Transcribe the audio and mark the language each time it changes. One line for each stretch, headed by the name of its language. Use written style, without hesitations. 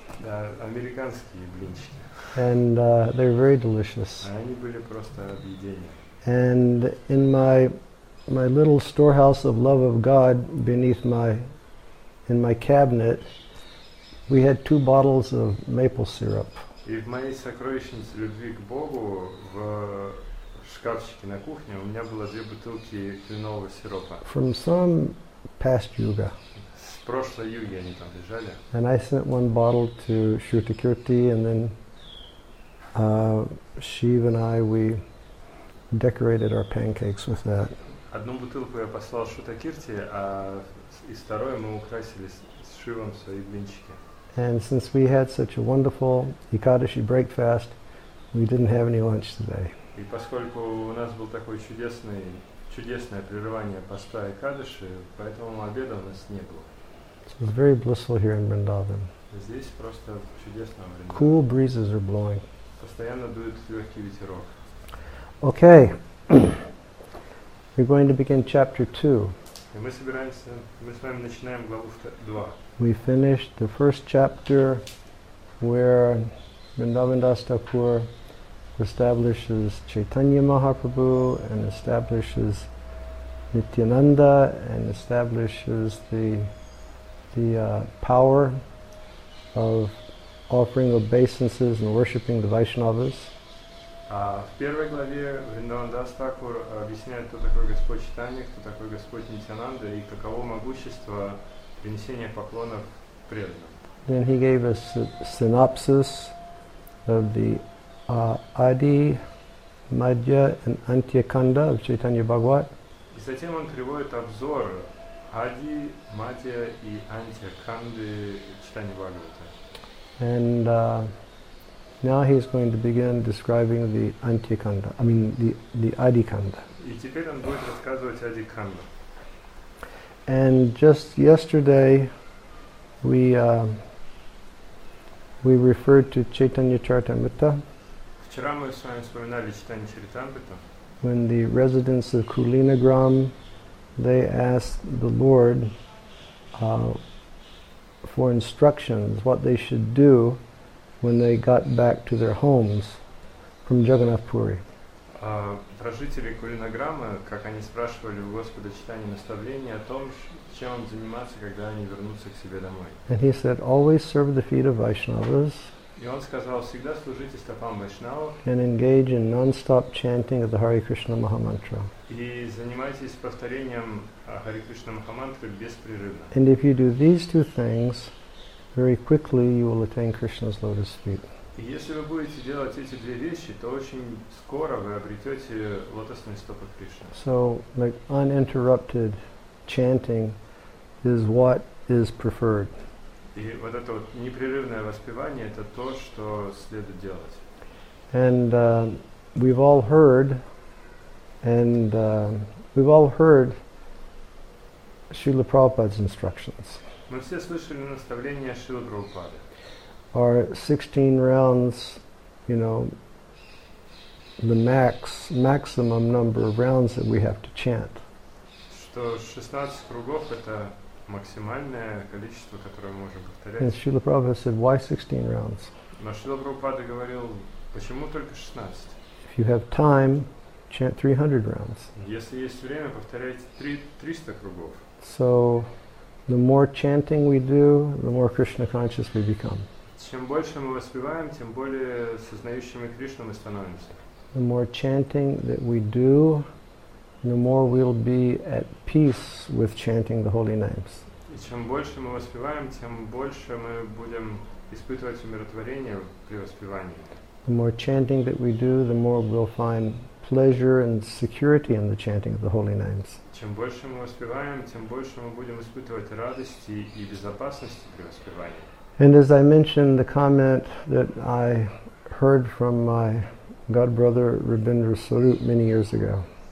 Russian: Да, американские блинчики.
English: And they're very delicious.
Russian: Они были просто объедение.
English: And in my little storehouse of love of God beneath my cabinet, we had two bottles of maple syrup.
Russian: И в моей сокровищнице любви к Богу в шкафчике на кухне у меня было две бутылки кленового сиропа.
English: From some past yuga.
Russian: С прошлой юги они там лежали.
English: And I sent one bottle to Shrutakirti, and then Shiv and I, we decorated our pancakes with that.
Russian: Одну бутылку я послал Шрутакирти, а из второй мы украсили с Шивом свои блинчики.
English: And since we had such a wonderful Ekadashi breakfast, we didn't have any lunch today.
Russian: И поскольку у нас был такой чудесное прерывание поста Экадаши, поэтому обеда у нас не было.
English: It was very blissful here in Vrindavan.
Russian: Здесь просто чудесно.
English: Cool breezes are blowing. Постоянно дует легкий ветерок. Okay. We're going to begin chapter 2.
Russian: И мы с вами начинаем главу 2.
English: We finished the first chapter where Vrindavan Das Thakur establishes Chaitanya Mahaprabhu and establishes Nityananda and establishes the power of offering obeisances and worshipping the Vaishnavas.
Russian: В первой главе Vrindavan Das Thakur объясняет, кто такой Господь Чайтанья, кто такой Господь Нитьянанда и каково могущество принесения поклонов преданным.
English: Then he gave a synopsis of the Adi, Madhya and Antya Kanda of Chaitanya Bhagavat.
Russian: И затем он приводит обзор Ади, Мадья и Антья Канды Чайтанья Бхагавата.
English: And now he's going to begin describing the Antya Kanda, the Adi Kanda.
Russian: И теперь он будет рассказывать Ади Канду.
English: And just yesterday, we referred to Chaitanya Charitamrita.
Russian: Вчера мы с вами вспоминали Чайтанья Чаритамриту.
English: When the residents of Kulinagram, they asked the Lord for instructions, what they should do when they got back to their homes from Jagannath Puri.
Russian: Прожители Кулинаграма, как они спрашивали у Господа Чайтанья наставления о том, чем им заниматься, когда они вернутся к себе домой.
English: And he said, always serve the feet of Vaishnavas.
Russian: И он сказал, всегда служите стопам Вайшнавов.
English: And engage in non-stop chanting of the Hare Krishna Mahamantra.
Russian: И занимайтесь повторением Hare Krishna Mahamantra беспрерывно.
English: And if you do these two things, very quickly you will attain Krishna's lotus feet.
Russian: И если вы будете делать эти две вещи, то очень скоро вы обретете лотосные стопы Кришны.
English: So, like uninterrupted chanting is what is preferred.
Russian: И вот это вот непрерывное воспевание – это то, что следует делать.
English: And we've all heard And we've all heard Srila Prabhupada's instructions.
Russian: Мы все слышали наставления Шрилы Прабхупады.
English: Our 16 rounds, you know, the maximum number of rounds that we have to chant.
Russian: Что 16 кругов это максимальное количество, которое мы можем повторять.
English: And Srila Prabhupada said, why 16 rounds?
Russian: Но Шрила Прабхупада говорил, почему только 16?
English: If you have time, chant 300 rounds.
Russian: Если есть время, повторяйте 300 кругов.
English: So, the more chanting we do, the more Krishna conscious we become.
Russian: Чем больше мы воспеваем, тем более сознающими Кришну мы становимся.
English: The more chanting that we do, the more we'll be at peace with chanting the holy names.
Russian: И чем больше мы воспеваем, тем больше мы будем испытывать умиротворение при воспевании.
English: The more chanting that we do, the more we'll find pleasure and security in the chanting of the holy names.
Russian: Чем больше мы воспеваем, тем больше мы будем испытывать радости и безопасности при воспевании.
English: And as I mentioned, the comment that I heard from my god brother Rabindra Swarup many years ago.